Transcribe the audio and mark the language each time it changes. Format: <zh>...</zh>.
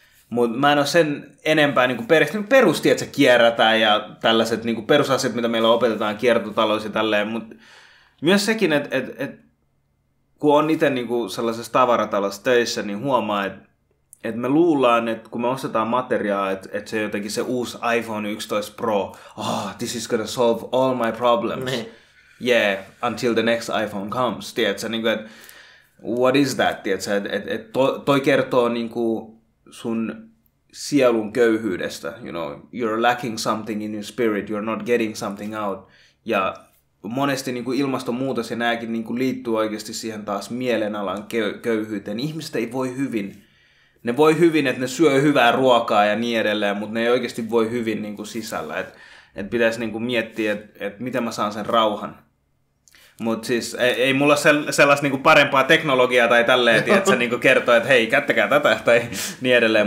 <fi>Mutta mä en ole sen enempää niin kuin perehtynyt. Perustiet, että se kierrätään ja tällaiset niin kuin perusasiat, mitä meillä opetetaan, kiertotalous ja tälleen. Mutta myös sekin, että kun on itse niin kuin sellaisessa tavaratalossa töissä, niin huomaa, että me luullaan, että kun me ostetaan materiaa, että se jotenkin se uusi iPhone 11 Pro,</fi> <en>this is gonna solve all my problems.</en> <fi>Me.</fi> <en>Yeah, until the next iPhone comes.</en> <fi>Tiedätkö, niin kuin,</fi> <en>what is that?</en> <fi>Tiedätkö, toi kertoo niin kuin sun sielun köyhyydestä.</fi> <en>You know, you're lacking something in your spirit, you're not getting something out.</en> <fi>Ja monesti niin kuin ilmastonmuutos ja nämäkin niin kuin liittyy oikeasti siihen taas mielenalan köyhyyteen. Ihmiset ei voi hyvin. Ne voi hyvin, että ne syö hyvää ruokaa ja niin edelleen, mutta ne ei oikeasti voi hyvin niin kuin sisällä. Et pitäisi niin kuin miettiä, että miten mä saan sen rauhan. Mutta siis ei mulla ole sellaista niin kuin parempaa teknologiaa tai tälleen, että sä niin kuin kertoo, että hei, käyttäkää tätä tai niin edelleen.</fi>